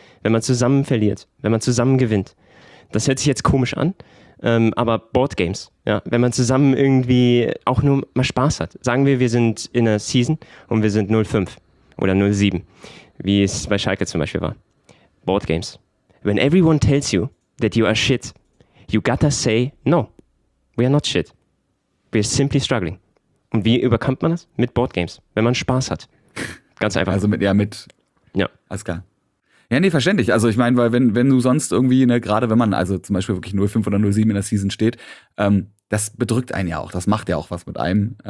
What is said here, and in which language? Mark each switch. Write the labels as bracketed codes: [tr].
[de] Wenn man zusammen verliert, wenn man zusammen gewinnt. Das hört sich jetzt komisch an, aber Boardgames, ja, wenn man zusammen irgendwie auch nur mal Spaß hat. Sagen wir sind in einer Season und wir sind 0-5 oder 0-7, wie es bei Schalke zum Beispiel war. Boardgames. [en] When everyone tells you that you are shit, you gotta say no, we are not shit. We are simply struggling. [de] Und wie überkommt man das? Mit Boardgames, wenn man Spaß hat. Ganz einfach. Also mit, alles klar. Ja, nee, verständlich. Also ich meine, weil wenn du sonst irgendwie, ne, gerade wenn man also zum Beispiel wirklich 0-5 oder 0-7 in der Season steht, das bedrückt einen ja auch, das macht ja auch was mit einem.